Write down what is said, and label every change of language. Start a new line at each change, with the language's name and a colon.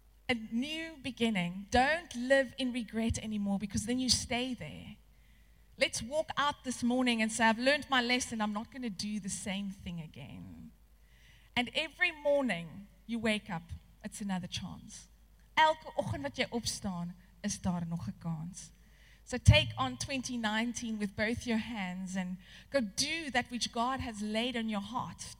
English: A new beginning. Don't live in regret anymore, because then you stay there. Let's walk out this morning and say, I've learned my lesson. I'm not going to do the same thing again. And every morning you wake up, it's another chance.
Afrikaans: Elke oggend wat jy opstaan, is daar nog 'n kans.
English: So take on 2019 with both your hands and go do that which God has laid on your heart.